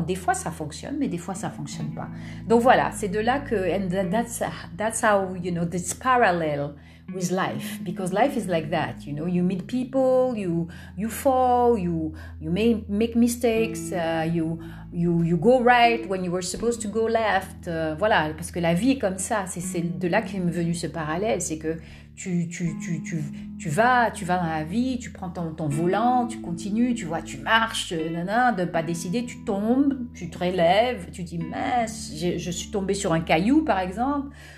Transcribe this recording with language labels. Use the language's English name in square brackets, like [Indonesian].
[French] Des fois ça fonctionne, mais des fois ça fonctionne pas. Donc voilà, c'est de là que, [English] and that's how, you know, this parallel with life, because life is like that, you know. You meet people, you fall, you may make mistakes, you go right when you were supposed to go left. [French] Voilà, parce que la vie est comme ça. C'est de là qu'est venu ce parallèle, c'est que tu vas dans la vie, tu prends ton volant, tu continues, tu vois, tu marches, nanana, de pas décider, tu tombes, tu te relèves, tu dis mince, je suis tombée sur un caillou par exemple.